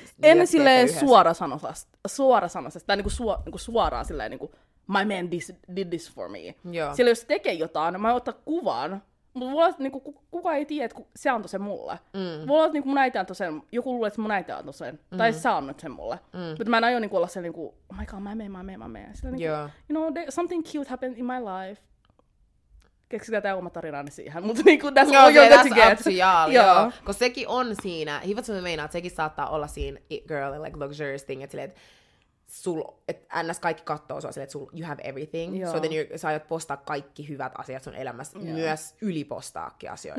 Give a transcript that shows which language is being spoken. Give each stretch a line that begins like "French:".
Finnish: En silleen suorasanoisesti, tai suoraan silleen, niin kuin,
English: my man did this for me.
Finnish: Silloin jos se tekee jotain, mä ottaa kuvan. Mutta voi olla, että niinku, kuka ei tiedä, että se antoi sen mulle. Voi olla, että niinku, mun äiti antoi sen, joku luulee, että mun äiti antoi sen. Tai sä annoit sen mulle. Mutta mä en aio niinku, olla sen, niinku,
English: oh my god,
Finnish: mä meen. Sillä, niinku,
English: you know, something cute happened in my life.
Finnish: Keksikää tämä oma tarinani siihen. Mutta niinku,
English: that's all you're going to get. That's absurd, joo.
Finnish: Kun sekin on siinä, hiivat sä meinaa, että sekin saattaa olla siinä
English: it girl and like luxurious thing.
Finnish: Että silleen, että ns. Kaikki kattoo sua silleen, että
English: you have everything,
Finnish: joo.
English: So then
Finnish: sä aiot postaa kaikki hyvät asiat sun elämässä, joo. Myös ylipostaakin asioita.